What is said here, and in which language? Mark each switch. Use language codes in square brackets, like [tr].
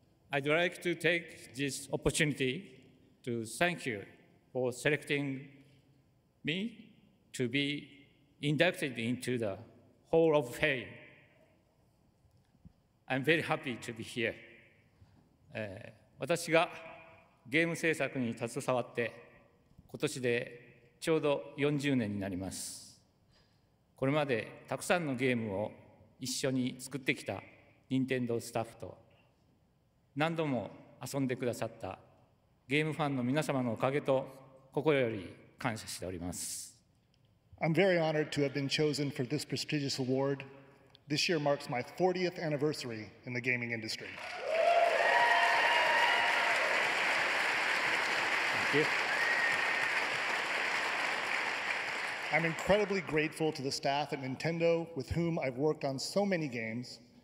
[en] I'd like to take this opportunity to thank you for selecting me to be inducted into the Hall of Fame. I'm very happy to be here. [ja] 私がゲーム制作に携わって今年でちょうど40年になります。これまでたくさんのゲームを一緒に作ってきた任天堂スタッフと何度も遊んでくださったゲームファンの皆様のおかげと心より感謝しております。 [en] I'm very honored to have been chosen for this prestigious award. This year marks my 40th anniversary in the gaming industry. Thank you. I'm incredibly grateful to the staff at Nintendo with whom I've worked on so many games.